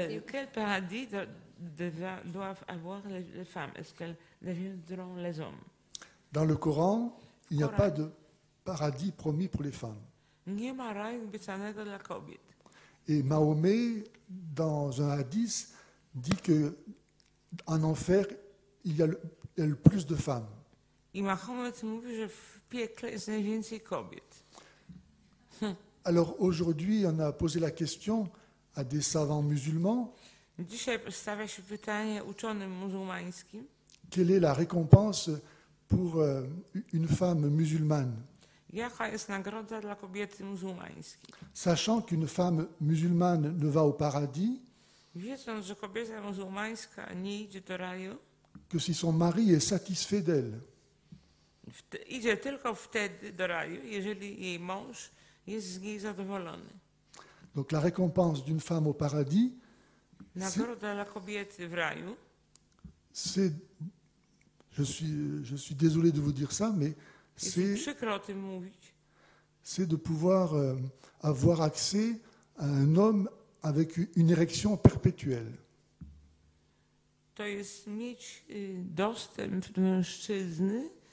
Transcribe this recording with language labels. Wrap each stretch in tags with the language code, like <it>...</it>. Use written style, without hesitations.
<fr>Quel paradis doivent avoir les femmes? Est-ce qu'elles deviendront les hommes? Dans le Coran, il n'y a pas de paradis promis pour les femmes.</fr> <pl>Nie ma raju obiecanego dla kobiet.</pl> <fr>Et Mahomet, dans un hadith, dit qu'en enfer, il y a le plus de femmes.</fr> <pl>I Mahomet mówi, że w piekle jest najwięcej kobiet.</pl> <fr>Alors aujourd'hui, on a posé la question à des savants musulmans.</fr> <pl>Dzisiaj stawia się pytanie uczonym muzułmańskim.</pl> <fr>Quelle est la récompense pour une femme musulmane?</fr> <pl>Jaka jest nagroda dla kobiety muzułmańskiej?</pl> <fr>Sachant qu'une femme musulmane ne va au paradis.</fr> <pl>Wiedząc, że kobieta muzułmańska nie idzie do raju.</pl> <fr>Que si son mari est satisfait d'elle.</fr> <pl>Idzie tylko wtedy do raju, jeżeli jej mąż jest z niej zadowolony.</pl> <fr>Donc la récompense d'une femme au paradis,</fr> <pl>nagroda dla kobiety w raju,</pl> <fr>c'est, je suis désolé de vous dire ça, mais c'est,</fr> <pl>przykro o tym mówić,</pl> <fr>c'est de pouvoir avoir accès à un homme avec une érection perpétuelle.</fr> <pl>To jest mieć dostęp do mężczyzny,</pl>